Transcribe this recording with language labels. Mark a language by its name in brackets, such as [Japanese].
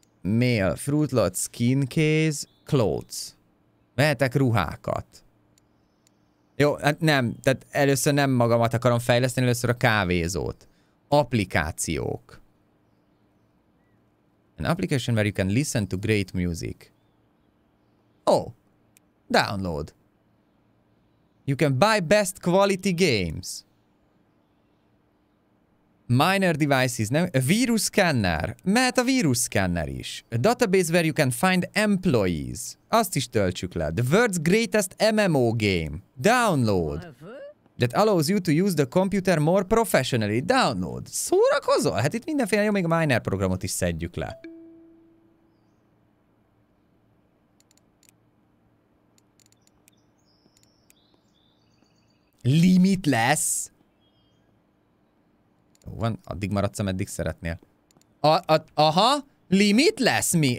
[English] Mail, fruitlot, skin case, clothes. [Hungarian] Vehetek ruhákat. Jó, hát nem, tehát először nem magamat akarom fejleszteni, először a kávézót. Applikációk. [English] An application where you can listen to great music. Oh, download. You can buy best quality games. Minor devices, [Hungarian] nem? A virus scanner. Mehet a virus scanner is. [English] A database where you can find employees. [Hungarian] Azt is töltsük le. [English] The world's greatest MMO game. Download. That allows you to use the computer more professionally. Download. [Hungarian] Szórakozol? Hát itt mindenféle jó, még a miner programot is szedjük le. [English] Limitless. [Hungarian] Van, addig maradsz, ameddig szeretnél. Aha, limit lesz mi?